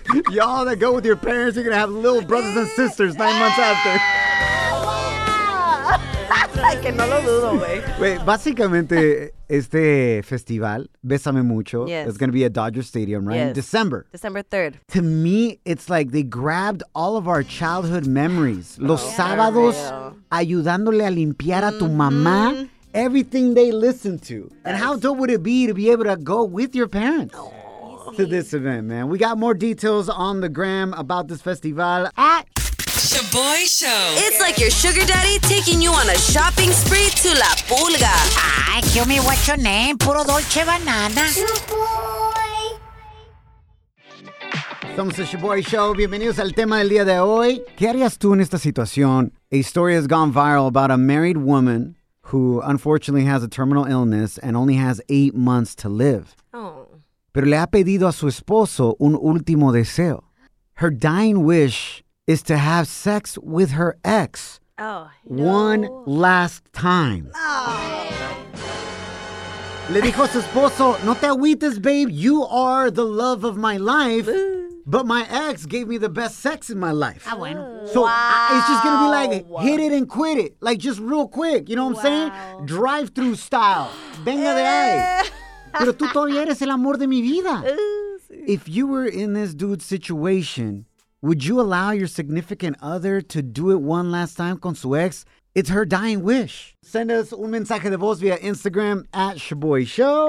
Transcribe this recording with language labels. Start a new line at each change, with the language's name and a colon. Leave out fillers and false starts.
English: Y'all that go with your parents, you're gonna have little brothers and sisters 9 months after.
Spanish: Que no lo dudo, güey. Básicamente, este festival, Bésame Mucho,
English: yes, is gonna be at Dodger Stadium, right? Yes. In December. December 3rd. To me, it's like they grabbed all of our childhood memories.
Spanish: Los sábados, ayudándole a limpiar a tu mamá.
English: Everything they listen to. And how dope would it be to be able to go with your parents to this event, man? We got more details on the gram about this festival at Shaboy Show. It's like your sugar daddy taking you on a shopping spree to La Pulga. Ay, kill me, what's your name? Puro Dolce Banana.
Spanish: Somos el Shaboy Show. Bienvenidos al tema del día de hoy. ¿Qué harías tú en esta situación?
English: A story has gone viral about a married woman who unfortunately has a terminal illness and only has 8 months to live. Oh.
Spanish: Pero le ha pedido a su esposo un último deseo.
English: Her dying wish is to have sex with her ex. Oh, no. One last time. Oh.
Spanish: Le dijo a su esposo, no te agüites,
English: babe. You are the love of my life. But my ex gave me the best sex in my life.
Spanish: Ah, bueno.
English: So it's just going to be like, hit it and quit it. Like, just real quick. You know what I'm saying? Drive-thru style.
Spanish: Venga de ahí. Pero tú todavía eres el amor de mi vida.
English: If you were in this dude's situation, would you allow your significant other to do it one last time
Spanish: con su ex?
English: It's her dying wish. Send us
Spanish: un mensaje de voz
English: via Instagram at Shaboy Show.